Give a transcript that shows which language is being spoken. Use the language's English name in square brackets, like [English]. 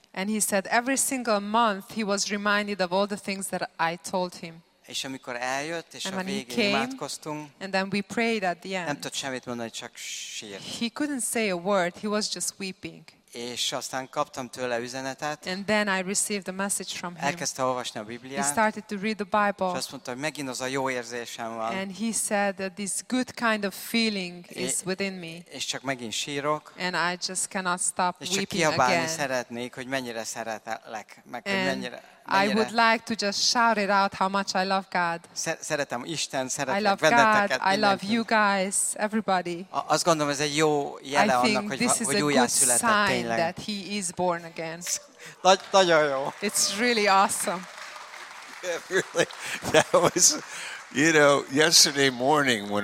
[English] And he said every single month he was reminded of all the things that I told him. [Hungarian] És amikor eljött, és a végén imádkoztunk, [English] and then we prayed at the end. [Hungarian] Nem tudott semmit mondani, csak sírt. [English] He couldn't say a word, he was just weeping. [Hungarian] És aztán kaptam tőle üzenetet. [English] And then I received a message from him. [Hungarian] Elkezdte olvasni a Bibliát. [English] He started to read the Bible. [Hungarian] És azt mondta, hogy megint az a jó érzésem van. [English] And he said that this good kind of feeling is within me. [Hungarian] És csak megint sírok. [English] And I just cannot stop weeping again. [Hungarian] És csak kiabálni szeretnék, hogy mennyire szeretlek, meg hogy mennyire. [English] I would like to just shout it out how much I love God. [Hungarian] Szeretem Isten, szeretlek [English] I love [Hungarian] benneteket. [English] God, I love you guys, everybody. [Hungarian] Azt gondolom, ez egy jó jele annak, hogy újjászületett tényleg. [English] That he is born again. [Hungarian] Nagyon jó. [English] It's really awesome. Yeah, really. That was, you know, yesterday morning when